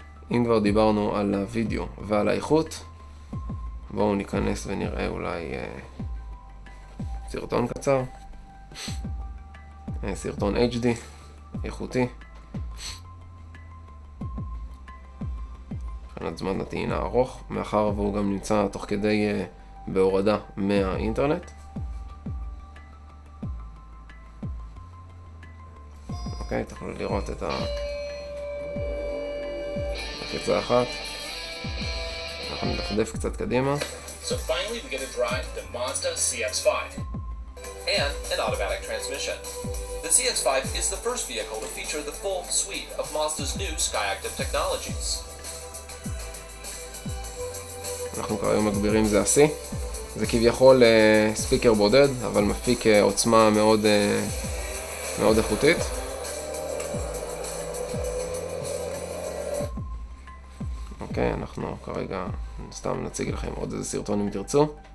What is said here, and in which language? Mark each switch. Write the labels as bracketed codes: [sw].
[he] אם כבר דיברנו על הווידאו ועל האיכות, בואו ניכנס ונראה אולי סרטון קצר, סרטון HD, איכותי, מבחינת זמן הטעינה ארוך, מאחר והוא גם נמצא תוך כדי בהורדה מהאינטרנט. אוקיי, תוכלו לראות את הקצה אחת, אנחנו נדפדף קצת קדימה. [en] So finally we get to drive the Mazda CX-5 and an automatic transmission. The CX-5 is the first vehicle to feature the full suite of Mazda's new SkyActiv technologies. [he] אנחנו כבר היום מגבירים, זה ה-C. זה כביכול ספיקר בודד, אבל מפיק עוצמה מאוד מאוד איכותית. אוקיי, אנחנו כרגע סתם נציג לכם עוד איזה סרטון אם תרצו.